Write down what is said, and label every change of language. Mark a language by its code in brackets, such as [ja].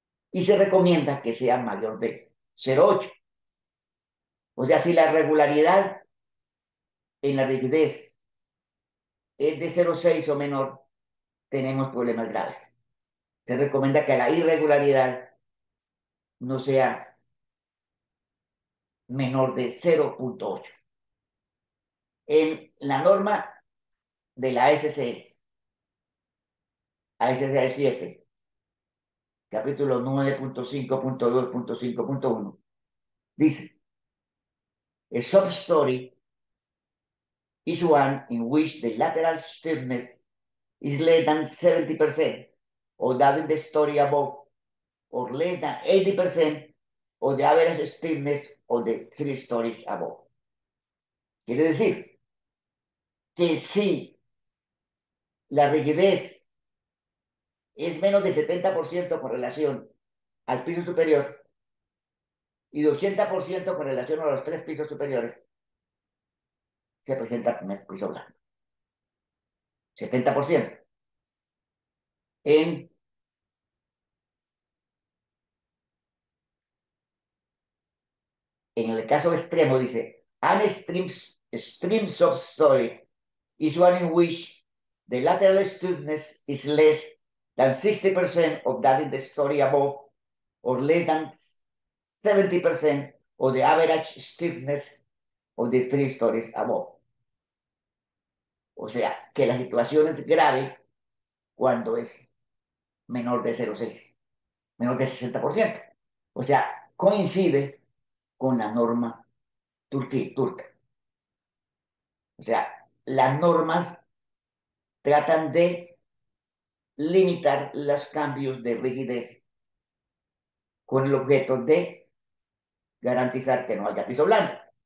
[es] Y se recomienda que sea mayor de 0,8. O sea, si la irregularidad en la rigidez es de 0,6 o menor, tenemos problemas graves. Se recomienda que la irregularidad no sea menor de 0,8. En la norma de la SCL, ASCL 7, capítulo 9.5.2.5.1, dice: [en] "A substory is one in which the lateral stiffness is less than 70%, or that in the story above, or less than 80%, or the average stiffness of the three stories above." [es] Quiere decir que si la rigidez es menos de 70% con relación al piso superior y 80% con relación a los tres pisos superiores, se presenta con el piso blando. 70% en el caso extremo, dice, [en] an extreme substory is one in which the lateral stiffness is less than 60% of that in the story above, or less than 70% of the average stiffness of the three stories above. [es] O sea, que la situación es grave cuando es menor de 0,6, menor del 60%. O sea, coincide con la norma turca. O sea, las normas tratan de limitar los cambios de rigidez con el objeto de garantizar que no haya piso blando.